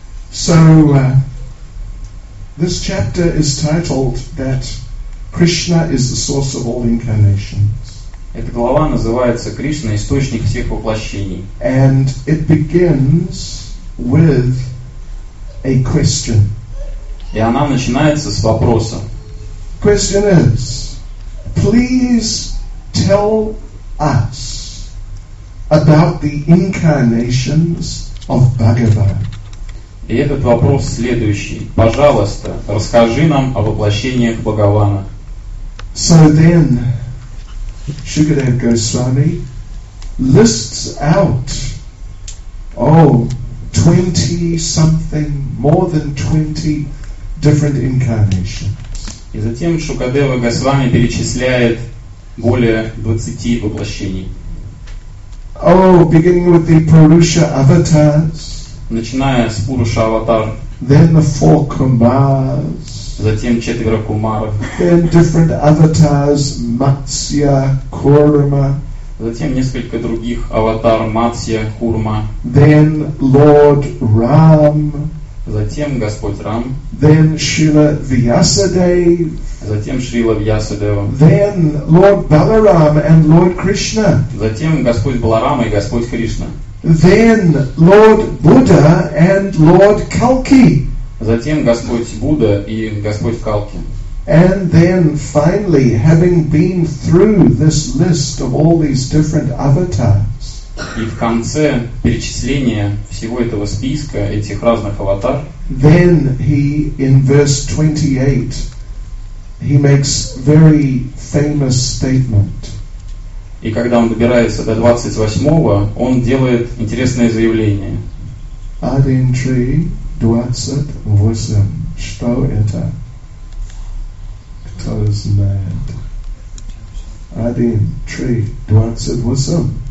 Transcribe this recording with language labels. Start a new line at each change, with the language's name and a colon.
English: So, this chapter is titled that Krishna is the source of all incarnations.
Russian: Эта глава называется «Кришна – источник всех воплощений».
English: And it begins with a question.
Russian: И она начинается с вопроса.
English: Question is, please tell us about the incarnations of Bhagavata.
Russian: И этот вопрос следующий. Пожалуйста, расскажи нам о воплощениях Бхагавана.
English: So then, Shukadev Goswami lists out, 20-something, more than 20 different incarnations.
Russian: И затем Шукадева Госвами перечисляет более 20 воплощений.
English: Beginning with the Purusha avatars.
Russian: Начиная с Пуруша аватар.
English: Then the four Kumars.
Russian: Затем четверо Кумаров.
English: Then different avatars, Matsya, Kurma.
Russian: Затем несколько других аватар, Матсья, Курма.
English: Then Lord Ram.
Russian: Затем Господь Рам.
English: Then Шрила Вьясадев.
Russian: Затем Шрила Вьясадева.
English: Then Lord Balaram and Lord Krishna.
Russian: Затем Господь Баларама и Господь Кришна.
English: Then Lord Buddha and Lord Kalki.
Russian: Затем Господь Будда и Господь Калки.
English: And then finally, having been through this list of all these different avatars.
Russian: И в конце перечисления всего этого списка этих разных аватар.
English: Then he in verse 28 he makes very famous statement.
Russian: И когда он добирается до 28-го, он делает интересное заявление. Один три двадцать восемь. Что это? Кто знает? Один три двадцать восемь.